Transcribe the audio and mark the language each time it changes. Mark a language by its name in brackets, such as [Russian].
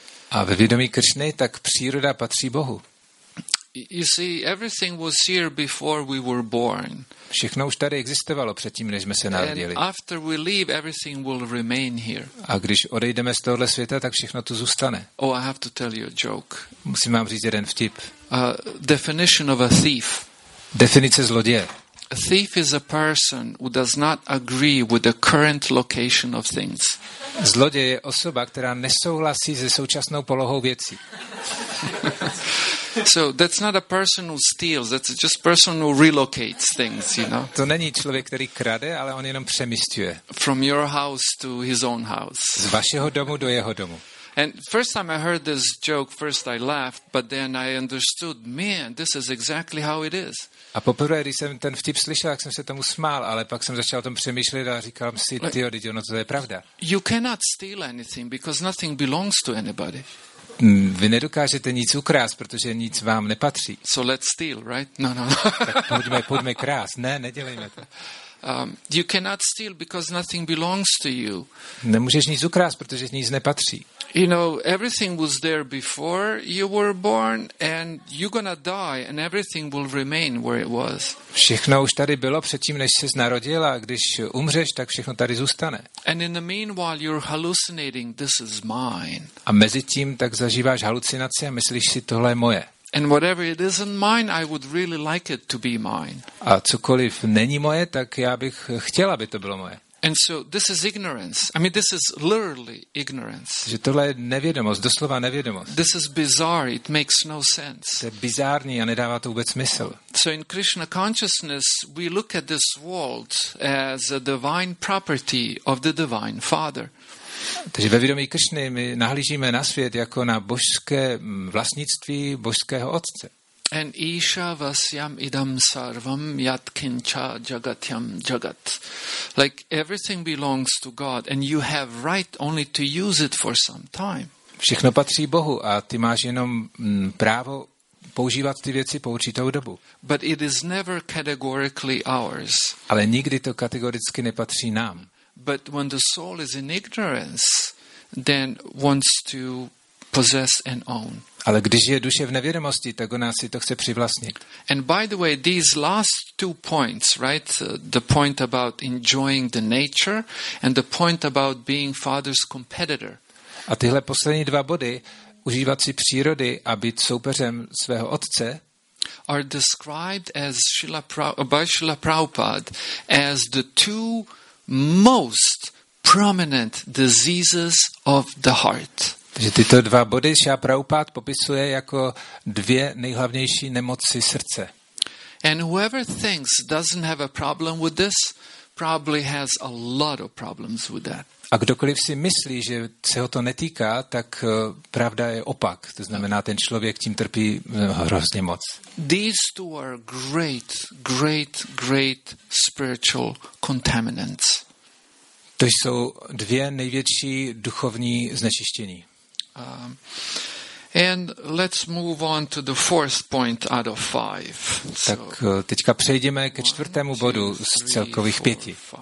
[Czech] A ve vědomí Krishny tak příroda patří Bohu. [English] You see, everything was here before we were born. [Czech] Všechno už tady existovalo předtím, než jsme se narodili. [English] And after we leave, everything will remain here. [Czech] A když odejdeme z tohoto světa, tak všechno tu zůstane. [English] Oh, I have to tell you a joke. [Czech] Musím vám říct jeden vtip. [English] Definition of a thief. [Czech] Definice zloděje. [English] A thief is a person who does not agree with the current location of things. [Czech] Zloděj je osoba, která nesouhlasí se současnou polohou věcí. [English] So that's not a person who steals, that's just a person who relocates things, you know. [Czech] To není člověk, který krade, ale on jenom přemisťuje. [English] From your house to his own house. [Czech] Z vašeho domu do jeho domu. [English] And first time I heard this joke, first I laughed, but then I understood, man, this is exactly how it is. [Czech] A poprvé, když jsem ten vtip slyšel, jak jsem se tomu smál, ale pak jsem začal o tom přemýšlet a říkal si, tyjo, dítě, no to je pravda. [English] You cannot steal anything because nothing belongs to anybody. [Czech] Vy nedokážete nic ukrást, protože nic vám nepatří. [English] So let's steal, right? No. [Czech] Tak pojďme krást. Ne, nedělejme to. [English] You cannot steal because nothing belongs to you. [Czech] Nemůžeš nic ukrást, protože nic nepatří. [English] You know, everything was there before you were born and you're gonna die and everything will remain where it was. [Czech] Všechno už tady bylo předtím, než ses narodil a když umřeš, tak všechno tady zůstane. [English] And in the meanwhile you're hallucinating, this is mine. [Czech] A mezi tím tak zažíváš halucinaci a myslíš si, tohle je moje. [English] And whatever it isn't mine, I would really like it to be mine. [Czech] A cokoliv není moje, tak já bych chtěla, aby to bylo moje. [English] And so this is ignorance. I mean, this is literally ignorance. [Czech] Že tohle je nevědomost, doslova nevědomost. [English] This is bizarre. It makes no sense. [Czech] To je bizární a nedává to vůbec smysl. [English] So in Krishna consciousness, we look at this world as a divine property of the divine Father. [Czech] Takže ve vědomí Krišny my nahlížíme na svět jako na božské vlastnictví božského otce. [Sanskrit] And Isha Vasyam Idam Sarvam Yatkincha Jagatyam Jagat. [English] Like everything belongs to God and you have right only to use it for some time. [Czech] Všechno patří Bohu a ty máš jenom právo používat ty věci po určitou dobu. [English] But it is never categorically ours. [Czech] Ale nikdy to kategoricky nepatří nám. [English] But when the soul is in ignorance, then wants to possess and own. [Czech] Ale když je duše v nevědomosti, tak ona si to chce přivlastnit. [English] And by the way, these last two points, right? The point about enjoying the nature and the point about being father's competitor. [Czech] A tyhle poslední dva body, užívat si přírody a být soupeřem svého otce, [English] are described as Srila Prabhupada as the two most prominent diseases of the heart. [Czech] Takže tyto dva body Srila Prabhupada popisuje jako dvě nejhlavnější nemoci srdce. [English] And whoever thinks doesn't have a problem with this, probably has a lot of problems with that. [Czech] A kdokoliv si myslí, že se ho to netýká, tak pravda je opak. To znamená, ten člověk tím trpí hrozně moc. [English] These two are great, great, great spiritual contaminants. [Czech] To jsou dvě největší duchovní znečištění. [English] And let's move on to the fourth point out of five. [Czech] Tak teďka přejdeme ke čtvrtému bodu z celkových pěti.